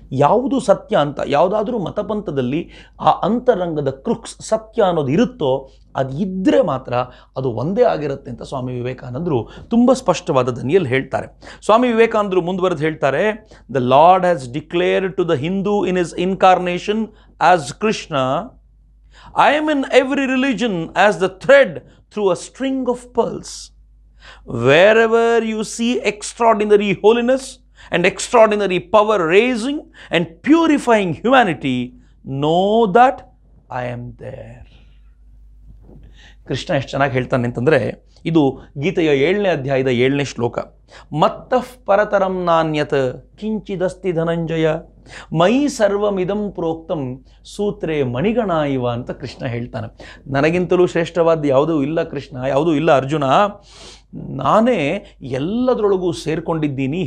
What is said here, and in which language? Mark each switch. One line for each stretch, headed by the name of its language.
Kannada: ಯಾವುದು ಸತ್ಯ ಅಂತ, ಯಾವುದಾದ್ರೂ ಮತಪಂಥದಲ್ಲಿ ಆ ಅಂತರಂಗದ ಕ್ರುಕ್ಸ್ ಸತ್ಯ ಅನ್ನೋದು ಇರುತ್ತೋ ಅದು ಇದ್ದರೆ ಮಾತ್ರ ಅದು ಒಂದೇ ಆಗಿರುತ್ತೆ ಅಂತ ಸ್ವಾಮಿ ವಿವೇಕಾನಂದರು ತುಂಬ ಸ್ಪಷ್ಟವಾದ ದನಿಯಲ್ಲಿ ಹೇಳ್ತಾರೆ. ಸ್ವಾಮಿ ವಿವೇಕಾನಂದರು ಮುಂದುವರೆದು ಹೇಳ್ತಾರೆ,
English: The lord has declared to the Hindu in is incarnation as Krishna. I am in every religion as the thread through a string of pearls. Wherever you see extraordinary holiness and extraordinary power raising and purifying humanity, know that I am there.
Kannada: Krishna ಎಷ್ಟು ಚೆನ್ನಾಗಿ ಹೇಳ್ತಾನೆ ಅಂತಂದರೆ, ಇದು ಗೀತೆಯ 7ನೇ ಅಧ್ಯಾಯದ 7ನೇ ಶ್ಲೋಕ.
Sanskrit: ಮತ್ತಃ ಪರತರಂ ನಾನ್ಯತ ಕಿಂಚಿದಸ್ತಿ ಧನಂಜಯ ಮೈ ಸರ್ವಮಿದಂ ಪ್ರೋಕ್ತಂ ಸೂತ್ರೇ ಮಣಿಗಣ ಇವ
Kannada: ಅಂತ ಕೃಷ್ಣ ಹೇಳ್ತಾನೆ. ನನಗಿಂತಲೂ ಶ್ರೇಷ್ಠವಾದ್ದು ಯಾವುದೂ ಇಲ್ಲ ಕೃಷ್ಣ, ಯಾವುದೂ ಇಲ್ಲ ಅರ್ಜುನ, ನಾನೇ ಎಲ್ಲದರೊಳಗೂ ಸೇರಿಕೊಂಡಿದ್ದೀನಿ.